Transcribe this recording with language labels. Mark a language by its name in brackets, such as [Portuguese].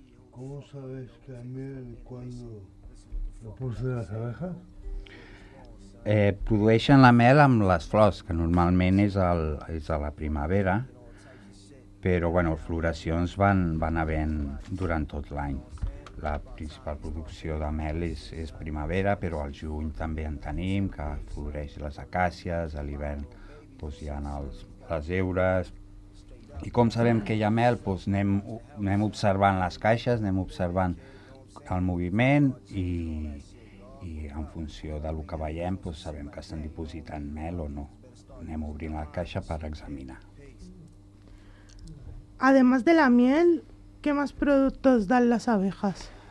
[Spanish] ¿Cómo sabes que a miel cuando lo puse las abejas? [Catalan] Produeixen la mel amb les flors, que normalment és a la primavera, però bueno, floracions van havent durant tot l'any. La principal producció de mel és primavera, però al juny també en tenim, que floreix les acàcies, a l'hivern doncs hi ha les heures. I com sabem que hi ha mel? Doncs anem observant les caixes, anem observant el moviment i en funció del que veiem, doncs sabem que estan dipositant mel o no. Anem obrint la caixa per examinar. [Spanish] Además de la miel, ¿qué más productos dan las abejas?